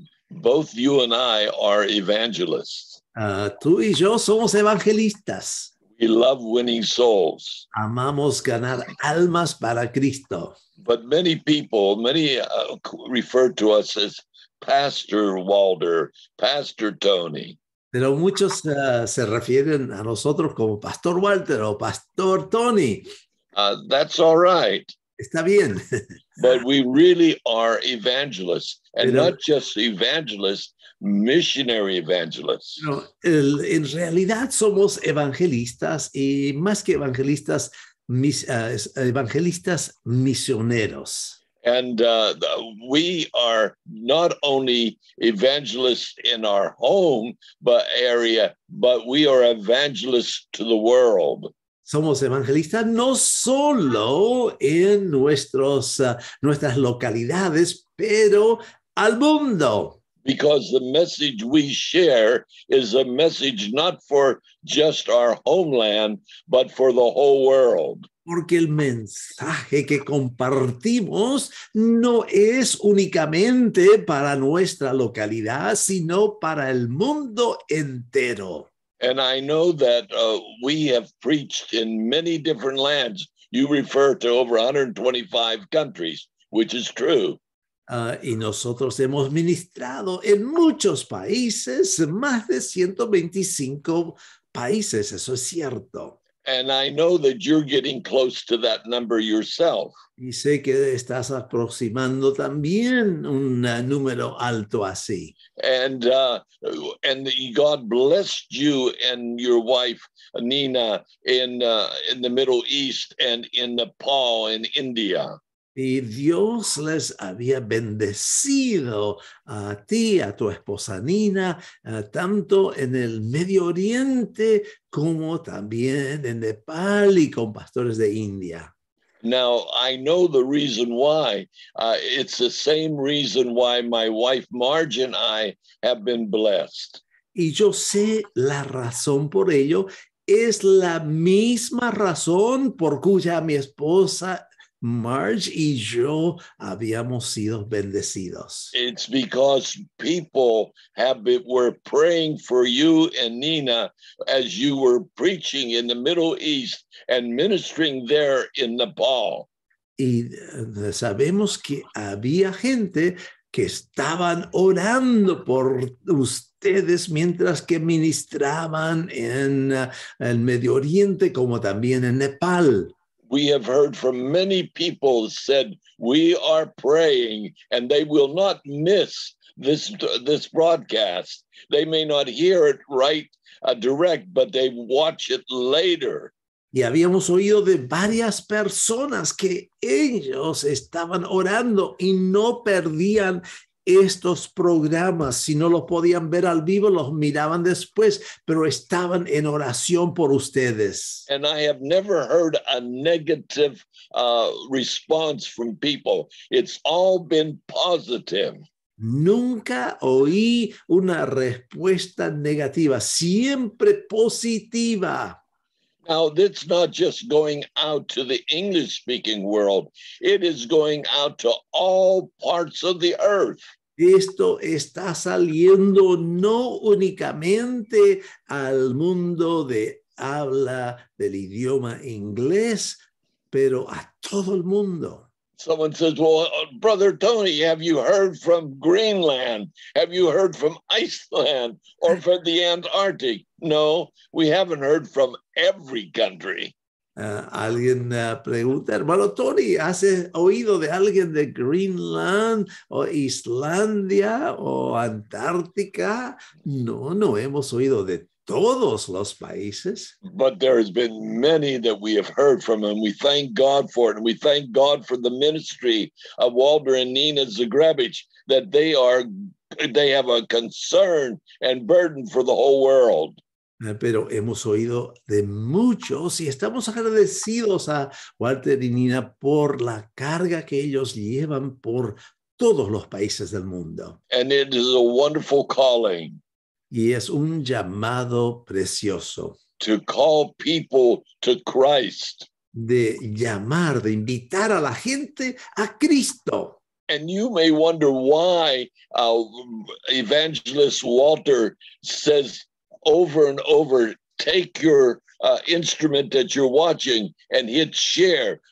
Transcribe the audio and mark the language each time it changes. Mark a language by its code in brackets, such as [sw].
[en] Both you and I are evangelists. [es] Tú y yo somos evangelistas. [en] We love winning souls. [es] Amamos ganar almas para Cristo. [en] But many people, many refer to us as Pastor Walter, Pastor Tony. [es] Pero muchos se refieren a nosotros como Pastor Walter o Pastor Tony. [en] That's all right. [es] Está bien. [en] But we really are evangelists, and pero, not just evangelists, missionary evangelists. [es] No, en realidad somos evangelistas y más que evangelistas, evangelistas misioneros. [en] And we are not only evangelists in our home area, but we are evangelists to the world. [es] Somos evangelistas no solo en nuestras localidades, pero al mundo. [en] Because the message we share is a message not for just our homeland, but for the whole world. [es] Porque el mensaje que compartimos no es únicamente para nuestra localidad, sino para el mundo entero. [en] And I know that we have preached in many different lands. You refer to over 125 countries, which is true. [es] Y nosotros hemos ministrado en muchos países, más de 125 países, eso es cierto. [en] And I know that you're getting close to that number yourself. [es] Y sé que estás aproximando también un número alto así. [en] And God blessed you and your wife, Nina, in the Middle East and in Nepal and India. [es] Y Dios les había bendecido a ti, a tu esposa Nina, tanto en el Medio Oriente como también en Nepal y con pastores de India. [en] Now, I know the reason why. It's the same reason why my wife Marge and I have been blessed. [es] Y yo sé la razón por ello. Es la misma razón por cuya mi esposa Marge y yo habíamos sido bendecidos. [en] It's because people have been, were praying for you and Nina as you were preaching in the Middle East and ministering there in Nepal. [es] Y sabemos que había gente que estaban orando por ustedes mientras que ministraban en el Medio Oriente como también en Nepal. [en] We have heard from many people said, we are praying and they will not miss this broadcast. They may not hear it right direct, but they watch it later. [es] Y habíamos oído de varias personas que ellos estaban orando y no perdían estos programas. Si no los podían ver al vivo, los miraban después, pero estaban en oración por ustedes. [en] And I have never heard a negative response from people. It's all been positive. [es] Nunca oí una respuesta negativa, siempre positiva. [en] Now, it's not just going out to the English-speaking world. It is going out to all parts of the earth. [es] Esto está saliendo no únicamente al mundo de habla del idioma inglés, pero a todo el mundo. [en] Someone says, well, Brother Tony, have you heard from Greenland? Have you heard from Iceland or from the Antarctic? No, we haven't heard from every country. [es] Alguien pregunta, hermano Tony, ¿has oído de alguien de Greenland o Islandia o Antártica? No, no hemos oído de todos los países. [en] But there has been many that we have heard from, and we thank God for it, and we thank God for the ministry of Walter and Nina Zygarewicz, that they have a concern and burden for the whole world. [es] Pero hemos oído de muchos y estamos agradecidos a Walter y Nina por la carga que ellos llevan por todos los países del mundo. [en] And it is a wonderful calling. [es] Y es un llamado precioso. [en] To call people to Christ. [es] De llamar, de invitar a la gente a Cristo. [en] And you may wonder why Evangelist Walter says over and over, take your instrument that you're watching and hit share.